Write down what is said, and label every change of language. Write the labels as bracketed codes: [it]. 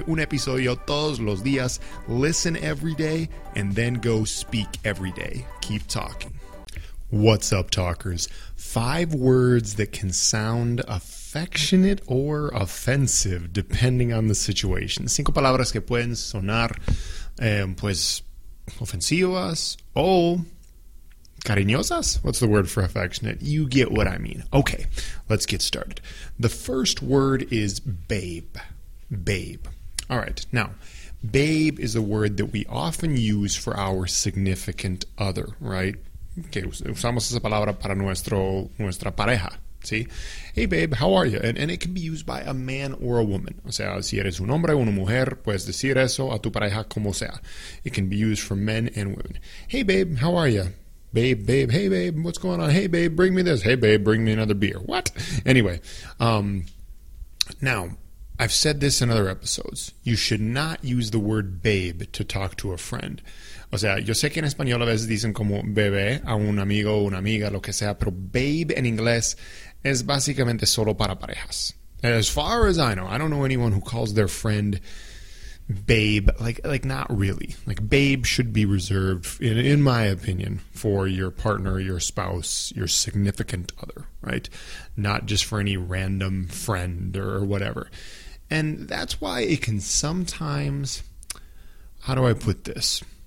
[es] Un episodio todos los días. [en] Listen every day and then go speak every day. Keep talking. What's up, talkers? Five words that can sound affectionate or offensive, depending on the situation. [es] Cinco palabras que pueden sonar, pues, ofensivas o cariñosas. [en] What's the word for affectionate? You get what I mean. Okay, let's get started. The first word is babe. Babe. All right, now, babe is a word that we often use for our significant other, right? [es] Que usamos esa palabra para nuestra pareja, ¿sí? [en] Hey, babe, how are you? And it can be used by a man or a woman. [es] O sea, si eres un hombre o una mujer, puedes decir eso a tu pareja como sea. [en] It can be used for men and women. Hey, babe, how are you? Babe, hey, babe, what's going on? Hey, babe, bring me this. Hey, babe, bring me another beer. What? Anyway, now, I've said this in other episodes. You should not use the word babe to talk to a friend. [es] O sea, yo sé que en español a veces dicen como bebé a un amigo o una amiga, lo que sea, pero babe en inglés es básicamente solo para parejas. [en] As far as I know, I don't know anyone who calls their friend babe, like not really. Like, babe should be reserved, in my opinion, for your partner, your spouse, your significant other, right? Not just for any random friend or whatever. And that's why it can sometimes, how do I put this?